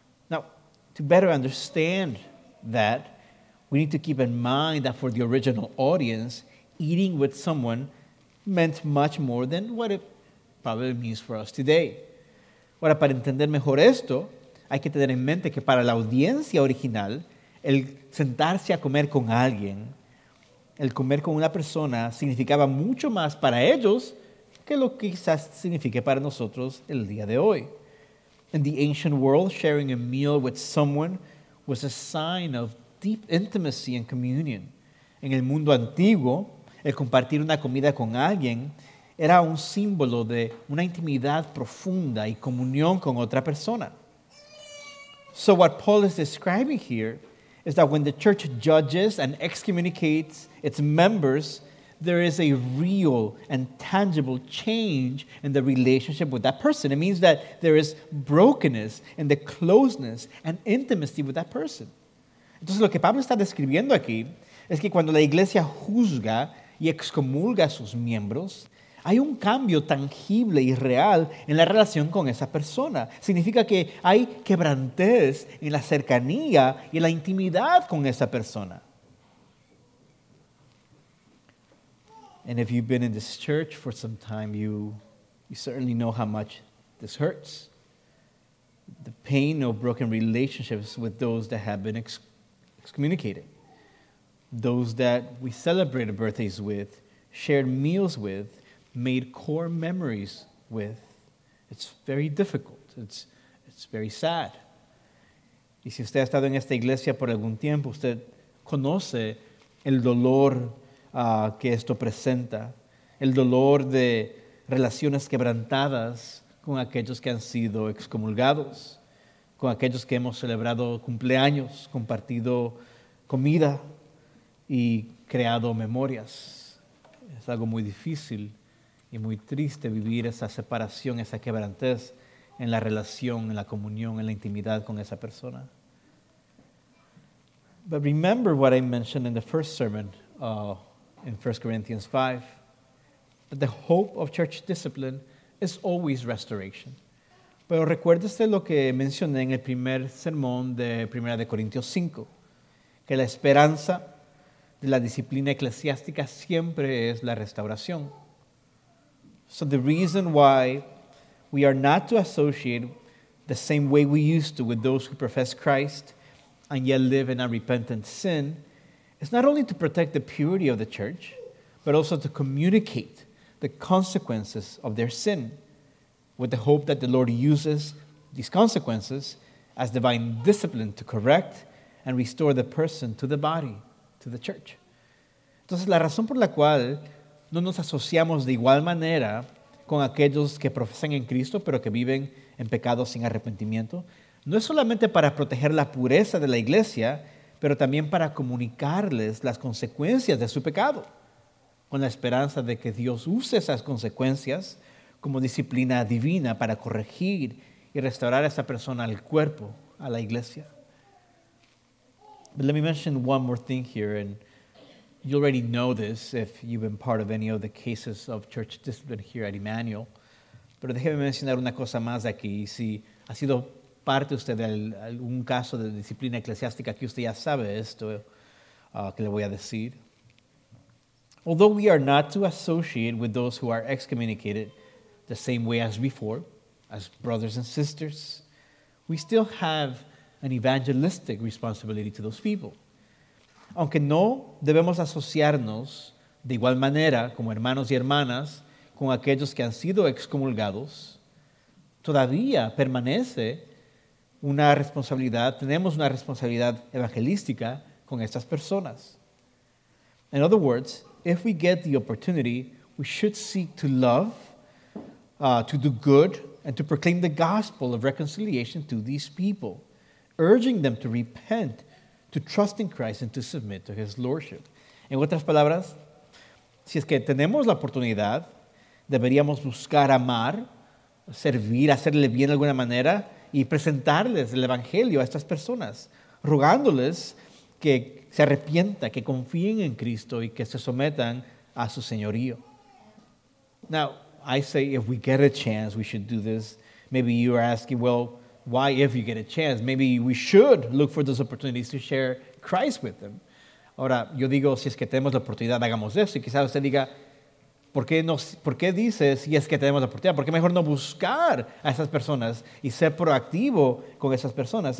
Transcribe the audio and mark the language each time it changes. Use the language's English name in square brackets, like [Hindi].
[English] Now, to better understand that, we need to keep in mind that for the original audience, eating with someone meant much more than what it probably means for us today. [Spanish] Ahora, para entender mejor esto, hay que tener en mente que para la audiencia original, el sentarse a comer con alguien, el comer con una persona, significaba mucho más para ellos que lo que quizás signifique para nosotros el día de hoy. [English] In the ancient world, sharing a meal with someone was a sign of deep intimacy and communion. [Spanish] En el mundo antiguo, el compartir una comida con alguien era un símbolo de una intimidad profunda y comunión con otra persona. [English] So what Paul is describing here is that when the church judges and excommunicates its members, there is a real and tangible change in the relationship with that person. It means that there is brokenness in the closeness and intimacy with that person. [Spanish] Entonces, lo que Pablo está describiendo aquí es que cuando la iglesia juzga y excomulga a sus miembros, hay un cambio tangible y real en la relación con esa persona. Significa que hay quebrantez en la cercanía y en la intimidad con esa persona. [English] And if you've been in this church for some time, you certainly know how much this hurts. The pain of broken relationships with those that have been excommunicated. Those that we celebrated birthdays with, shared meals with, made core memories with. It's very difficult. It's very sad. [Spanish] Y si usted ha estado en esta iglesia por algún tiempo, usted conoce el dolor que esto presenta, el dolor de relaciones quebrantadas con aquellos que han sido excomulgados, con aquellos que hemos celebrado cumpleaños, compartido comida y creado memorias. Es algo muy difícil y muy triste vivir esa separación, esa quebrantez en la relación, en la comunión, en la intimidad con esa persona. [English] But remember what I mentioned in the first sermon in 1 Corinthians 5, that the hope of church discipline is always restoration. [Spanish] Pero recuérdese lo que mencioné en el primer sermón de 1 Corintios 5, que la esperanza de la disciplina eclesiástica siempre es la restauración. [English] So the reason why we are not to associate the same way we used to with those who profess Christ and yet live in unrepentant sin is not only to protect the purity of the church, but also to communicate the consequences of their sin with the hope that the Lord uses these consequences as divine discipline to correct and restore the person to the body, to the church. [Spanish] Entonces, la razón por la cual no nos asociamos de igual manera con aquellos que profesan en Cristo pero que viven en pecado sin arrepentimiento, no es solamente para proteger la pureza de la iglesia, pero también para comunicarles las consecuencias de su pecado, con la esperanza de que Dios use esas consecuencias como disciplina divina para corregir y restaurar a esa persona al cuerpo, a la iglesia. [English] But let me mention one more thing here, and you already know this if you've been part of any of the cases of church discipline here at Emmanuel. [Spanish] Pero déjeme mencionar una cosa más aquí. Si ha sido parte usted de algún caso de disciplina eclesiástica, aquí usted ya sabe esto que le voy a decir. [English] Although we are not to associate with those who are excommunicated the same way as before, as brothers and sisters, we still have an evangelistic responsibility to those people. [Spanish] Aunque no debemos asociarnos de igual manera como hermanos y hermanas con aquellos que han sido excomulgados, todavía permanece una responsabilidad, tenemos una responsabilidad evangelística con estas personas. [English] In other words, if we get the opportunity, we should seek to love, to do good, and to proclaim the gospel of reconciliation to these people, urging them to repent, to trust in Christ, and to submit to His Lordship. [Spanish] En otras palabras, si es que tenemos la oportunidad, deberíamos buscar amar, servir, hacerle bien de alguna manera, y presentarles el Evangelio a estas personas, rogándoles que se arrepienta, que confíen en Cristo y que se sometan a su Señorío. [English] Now, I say if we get a chance, we should do this. Maybe you are asking, well, why if you get a chance? Maybe we should look for those opportunities to share Christ with them. [Spanish] Ahora, yo digo, si es que tenemos la oportunidad, hagamos eso. Y quizás usted diga, ¿por qué dices si es que tenemos la oportunidad? ¿Por qué mejor no buscar a esas personas y ser proactivo con esas personas?